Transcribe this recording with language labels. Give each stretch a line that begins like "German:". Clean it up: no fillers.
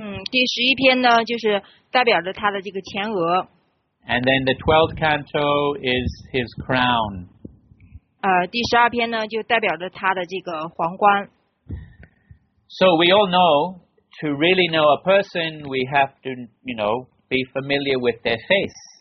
Chinese: 第十一篇呢就是代表着他的这个前额。
English: And then the 12th canto is his crown.
Chinese: 第十二篇呢就代表着他的这个皇冠。
English: So we all know, to really know a person, we have to, you know, be familiar with their face.